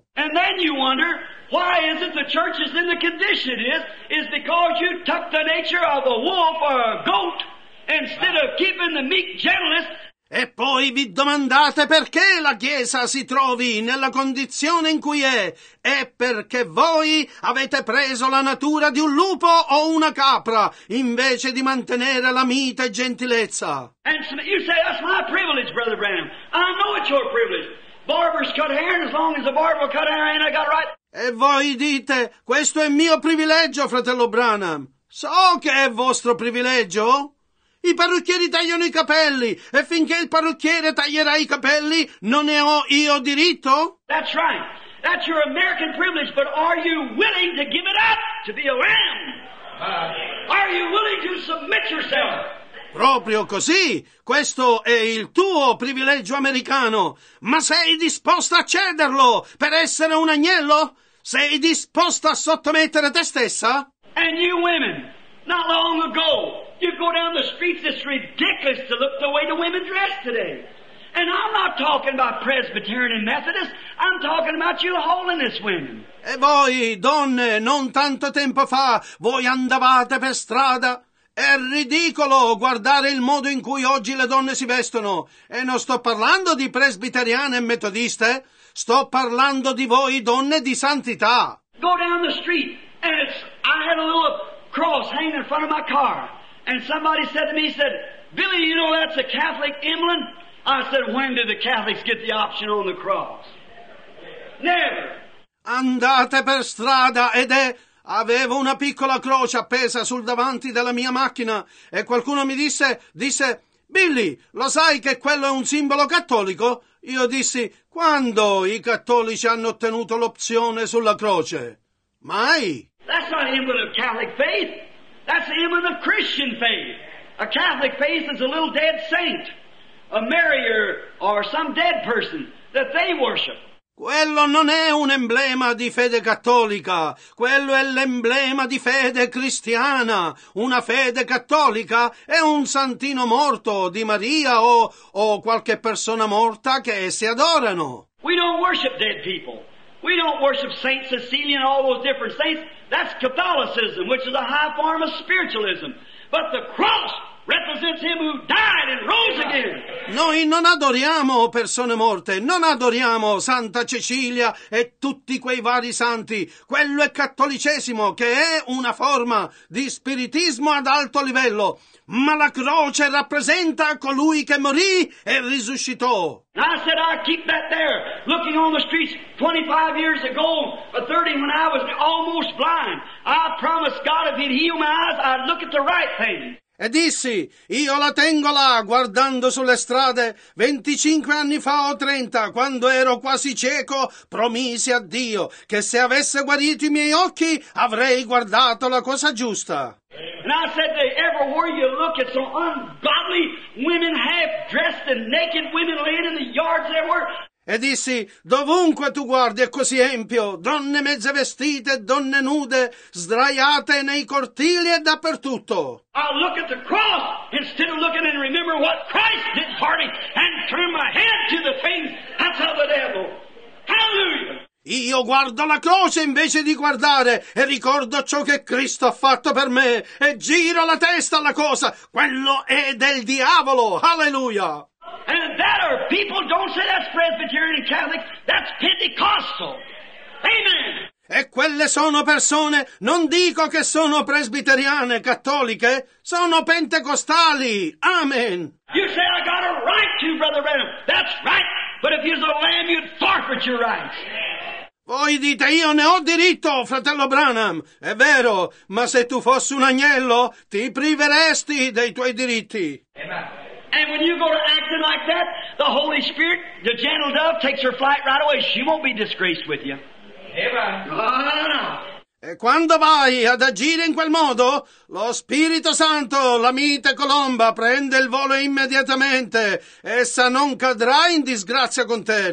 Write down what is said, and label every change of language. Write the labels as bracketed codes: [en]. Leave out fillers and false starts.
[en] And then you wonder why is it the church is in the condition is because you took the nature of a wolf or a goat instead of keeping the meek gentleness. E poi vi domandate perché la Chiesa si trovi nella condizione in cui è perché voi avete preso la natura di un lupo o una capra, invece di mantenere la mite e gentilezza. And you say, that's my privilege, Brother Branham. I know it's your privilege. Barbers cut hair, and as long as the barber cut hair, ain't I got right? [it] E voi dite, questo è mio privilegio, fratello Branham. So che è vostro privilegio. I parrucchieri tagliano i capelli, e finché il parrucchiere taglierà i capelli, non ne ho io diritto? [en] That's right. That's your American privilege, but are you willing to give it up to be a lamb? Are you willing to submit yourself? [it] Proprio così. Questo è il tuo privilegio americano. Ma sei disposto a cederlo per essere un agnello? Sei disposto a sottomettere te stessa? [en] And you women, not long ago, you go down the streets, it's ridiculous to look the way the women dress today. And I'm not talking about Presbyterian and Methodist, I'm talking about you holiness women. [it] E voi, donne, non tanto tempo fa, voi andavate per strada. È ridicolo guardare il modo in cui oggi le donne si vestono. E non sto parlando di presbiteriane e metodiste, sto parlando di voi, donne di santità. [en] Go down the street, and I had a little cross hanging in front of my car. And somebody said to me, he said, Billy, you know that's a Catholic emblem? I said, when did the Catholics get the option on the cross? Never. [it] Andate per strada ed è... Avevo una piccola croce appesa sul davanti della mia macchina e qualcuno mi disse, Billy, lo sai che quello è un simbolo cattolico? Io dissi, quando i cattolici hanno ottenuto l'opzione sulla croce? Mai! [en] That's not the emblem of Catholic faith. That's the emblem of Christian faith. A Catholic faith is a little dead saint, a Mary or some dead person that they worship. [it] Quello non è un emblema di fede cattolica, quello è l'emblema di fede cristiana. Una fede cattolica è un santino morto di Maria o qualche persona morta che si adorano. [en] We don't worship dead people. We don't worship Saint Cecilia and all those different saints. That's Catholicism, which is a high form of spiritualism. But the cross represents him who died and rose again. [it] Noi non adoriamo persone morte, non adoriamo Santa Cecilia e tutti quei vari santi. Quello è cattolicesimo, che è una forma di spiritismo ad alto livello. Ma la croce rappresenta colui che morì e risuscitò. [en] And I said I keep that there, looking on the streets 25 years ago, or 30 when I was almost blind. I promised God if he'd heal my eyes, I'd look at the right thing. [it] E dissi, io la tengo là, guardando sulle strade, 25 anni fa o 30, quando ero quasi cieco, promisi a Dio che se avesse guarito i miei occhi, avrei guardato la cosa giusta. [en] And I said, everywhere you look at some ungodly women half dressed and naked women laying in the yards they were. [it] E dissi, dovunque tu guardi è così empio, donne mezze vestite, donne nude, sdraiate nei cortili e dappertutto. [en] I look at the cross instead of looking and remember what Christ did for me and turn my head to the thing. That's how the devil. Hallelujah! [it] Io guardo la croce invece di guardare e ricordo ciò che Cristo ha fatto per me e giro la testa alla cosa. Quello è del diavolo. Hallelujah! [en] And that are people, don't say that's Presbyterian Catholic, that's Pentecostal. Amen. [it] E quelle sono persone, non dico che sono presbiteriane cattoliche, sono pentecostali. Amen. [en] You say I got a right to, Brother Branham. That's right. But if you're a lamb, you'd forfeit your rights. [it] Voi dite, io ne ho diritto, fratello Branham. È vero, ma se tu fossi un agnello, ti priveresti dei tuoi diritti. [en] Amen. And when you go to acting like that, the Holy Spirit, the gentle dove, takes her flight right away. She won't be disgraced with you. Amen. No. [it] E quando vai ad agire in quel modo, lo Spirito Santo, la mite colomba, prende il volo immediatamente. Essa non cadrà in disgrazia con te.